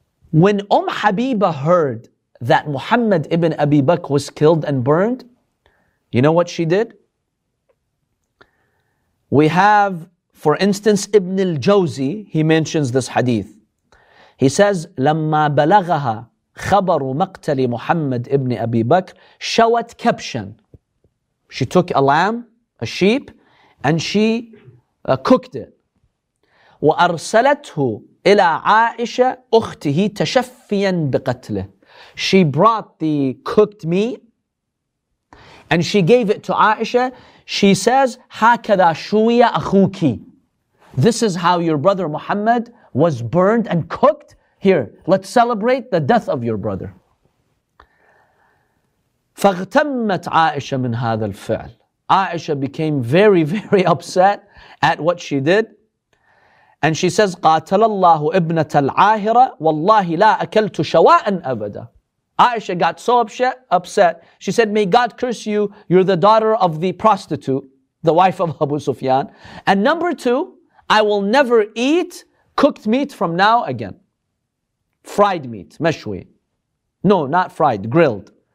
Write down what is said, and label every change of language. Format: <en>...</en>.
<en>When Habiba heard that Muhammad ibn Abi Bakr was killed and burned, you know what she did? We have, for instance, Ibn al-Jawzi, he mentions this hadith. He says,</en> <ar>لَمَّا بَلَغَهَا خَبَرُ مَقْتَلِ مُحَمَّدْ إِبْنِ أَبِي بَكْرِ شَوَتْ كَبْشًا.</ar> <en>She took a lamb, a sheep, and she cooked it.</en> <ar>وَأَرْسَلَتْهُ إِلَىٰ عَائِشَ أُخْتِهِ تَشَفِّيًا بِقَتْلِهِ.</ar> <en>She brought the cooked meat and she gave it to Aisha. She says,</en> <ar>هَكَذَا شُوِيَ أَخُوكِ.</ar> <en>This is how your brother Muhammad was burned and cooked. Here, let's celebrate the death of your brother.</en> <ar>فَغْتَمَّتْ عَائِشَ مِنْ هَذَا الْفِعْلِ.</ar> <en>Aisha became very, very upset at what she did. And she says,</en> <ar>قَاتَلَ اللَّهُ إِبْنَةَ الْعَاهِرَةِ وَاللَّهِ لَا أَكَلْتُ شَوَاءً أَبَدًا.</ar> <en>Aisha got so upset, she said, may God curse you, you're the daughter of the prostitute, the wife of Abu Sufyan. And number two, I will never eat cooked meat from now again. Fried meat, mashwi. No, not fried, grilled.</en>